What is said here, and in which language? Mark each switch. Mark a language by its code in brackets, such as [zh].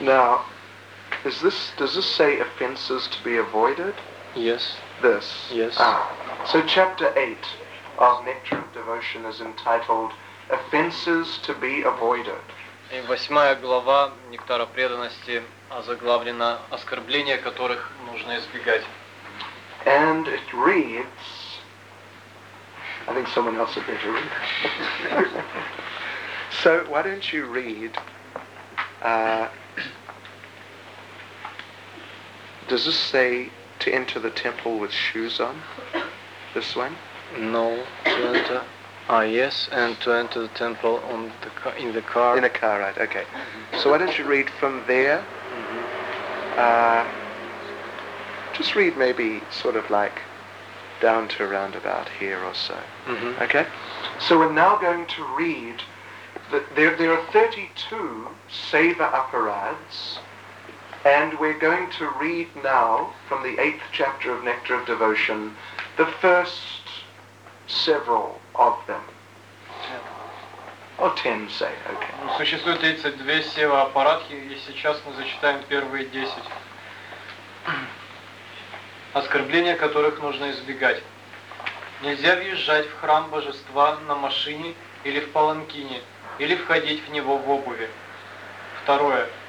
[en] Now, does this say offenses to be avoided? Yes. This? Yes. So chapter 8 of Nectar of Devotion is entitled Offenses to be Avoided. И восьмая глава Нектара преданности озаглавлена «Оскорбления, которых нужно избегать». And it reads... I think someone else had better read. So, why don't you read... Does this say to enter the temple with shoes on? This one? No, to enter... yes, and to enter the temple on the car, in the car. In a car, right, okay. So why don't you read from there? Just read maybe sort of like down to around about here or so. Mm-hmm. Okay? So we're now going to read, there are 32 Seva Aparads, and we're going to read now from the 8th chapter of Nectar of Devotion, the first several of them. or 10 say, okay. [ru] Существует 32 сева аппаратки, и сейчас мы зачитаем первые 10. Оскорбления которых нужно избегать. Нельзя въезжать в храм божества на машине или в паланкине, или входить в него в обуви. Второе.